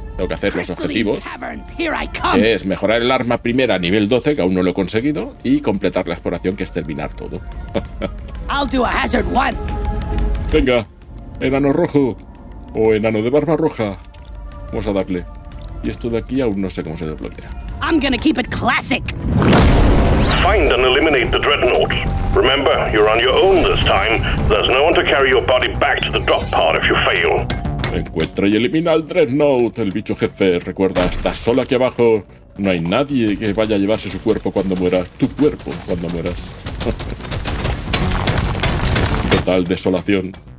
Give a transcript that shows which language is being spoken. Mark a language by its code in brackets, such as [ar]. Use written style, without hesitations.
[es] Tengo que hacer los objetivos, que es mejorar el arma primera a nivel 12, que aún no lo he conseguido, y completar la exploración, que es terminar todo. [en] I'll do a hazard one. [es] Venga, enano rojo o enano de barba roja. Vamos a darle. Y esto de aquí aún no sé cómo se desbloquea. [en] I'm gonna keep it classic. Find and eliminate the dreadnought. Remember, you're on your own this time. There's no one to carry your body back to the drop pod if you fail. [es] Encuentra y elimina al dreadnought, el bicho jefe. Recuerda, estás solo aquí abajo. No hay nadie que vaya a llevarse su cuerpo cuando mueras. Tu cuerpo cuando mueras. Total desolación.